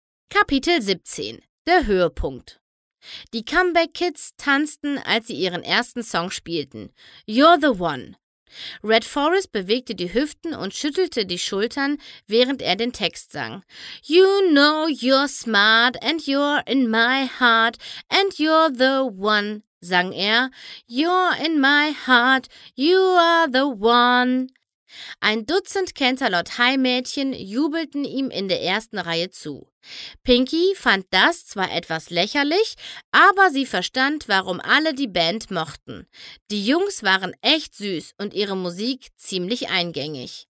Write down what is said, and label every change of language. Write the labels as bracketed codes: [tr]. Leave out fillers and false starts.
[de] Kapitel 17 – Der Höhepunkt. Die Comeback-Kids tanzten, als sie ihren ersten Song spielten. You're the One. Red Forest bewegte die Hüften und schüttelte die Schultern, während er den Text sang. [en] You know you're smart and you're in my heart and you're the one, [de] sang er. [en] You're in my heart, you are the one. [de] Ein Dutzend Canterlot-High-Mädchen jubelten ihm in der ersten Reihe zu. Pinkie fand das zwar etwas lächerlich, aber sie verstand, warum alle die Band mochten. Die Jungs waren echt süß und ihre Musik ziemlich eingängig.